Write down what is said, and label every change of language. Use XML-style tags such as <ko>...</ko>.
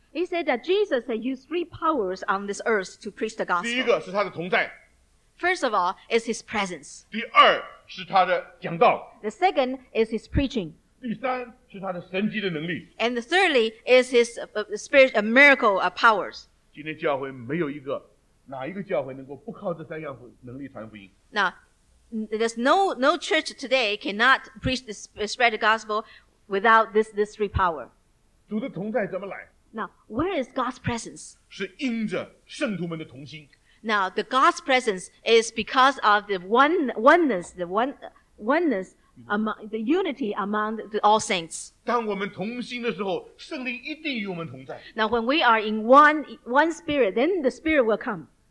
<en>He said that Jesus had used three powers on this earth to preach the gospel.</en> <zh>第一个是他的同在。</zh> <en>First of all, is his presence.</en> <zh>第二是他的讲道。</zh> <en>The second is his preaching.</en> <zh>第三是他的神迹的能力。</zh> <en>And thirdly is his miracle powers.</en> <zh>今天教会没有一个哪一个教会能够不靠这三样能力传福音。</zh> <en>Now, there's no church today cannot preach this spread the gospel without this three power.</en> <zh>主的同在怎么来？</zh> <en>Now, where is God's presence?</en> <zh>是因着圣徒们的同心。</zh> <en>Now the God's presence is because of the oneness among the unity among all saints.</en> <zh>当我们同心的时候，圣灵一定与我们同在。</zh> <en>Now when we are in one spirit, then the spirit will come.</en>